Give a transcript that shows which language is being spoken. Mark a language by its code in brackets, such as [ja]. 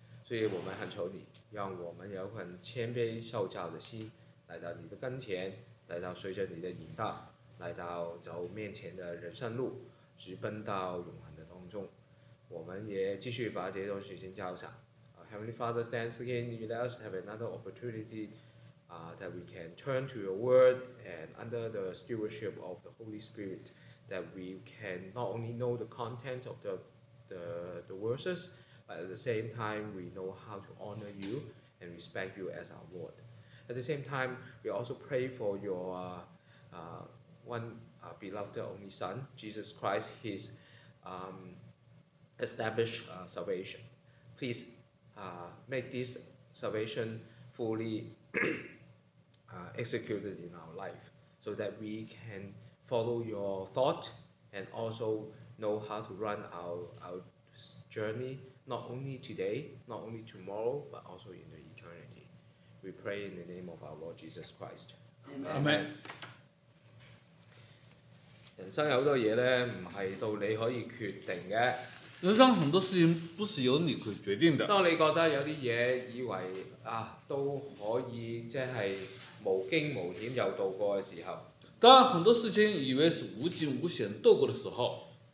[zh] 所以我们很求你，让我们有份谦卑受教的心，来到你的跟前，来到随着你的引导，来到走面前的人生路，直奔到永恒的当中。我们也继续把这些东西先交上。 [en] Heavenly Father, thanks again. You let us have another opportunity, that we can turn to your word and under the stewardship of the Holy Spirit, that we can not only know the content of the verses. But at the same time, we know how to honor you and respect you as our Lord. At the same time, we also pray for your one beloved only Son, Jesus Christ, his established salvation. Please make this salvation fully executed in our life so that we can follow your thought and also know how to run our journey. Not only today, not only tomorrow, but also in the eternity. We pray in the name of our Lord Jesus Christ. Amen. Amen. [zh] 人生有很多事情不是到你可以决定的。人生很多事情不是由你去决定的。当你觉得有些事情以为都可以即是无惊无险又度过的时候。当很多事情以为是无惊无险度过的时候。